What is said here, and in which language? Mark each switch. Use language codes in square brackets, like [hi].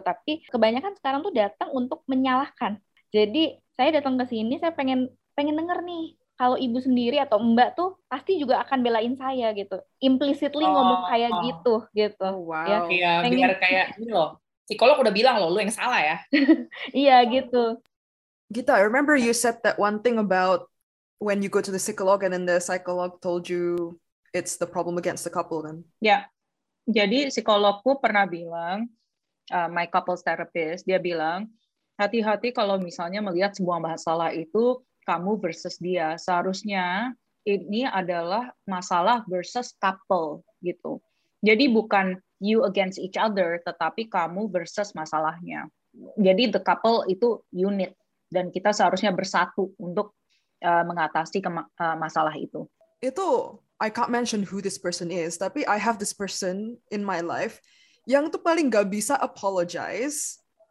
[id] Tapi kebanyakan sekarang tuh datang untuk menyalahkan. Jadi saya datang ke sini, saya pengen denger nih, kalau ibu sendiri atau mbak tuh pasti juga akan belain saya gitu. Implicitly ngomong kayak gitu. Gitu. Oh, wow. Ya, iya, pengen... biar kayak ini loh, psikolog udah bilang loh, lu yang salah ya. Iya gitu. [en] Gita, I remember you said that one thing about when you go to the psychologue and then the psychologue told you it's the problem against the couple then. [id] Ya, jadi psikologku pernah bilang, [en] my couple's therapist, [id] dia bilang, hati-hati kalau misalnya melihat sebuah masalah itu kamu versus dia. Seharusnya ini adalah masalah versus couple gitu. Jadi bukan [en] you against each other, [id] tetapi kamu versus masalahnya. Jadi [en] the couple [id] itu unit. Dan kita seharusnya bersatu untuk mengatasi masalah itu. [en] Itu, I can't mention who this person is, tapi I have this person in my life [id] yang tuh paling gak bisa [en] apologize.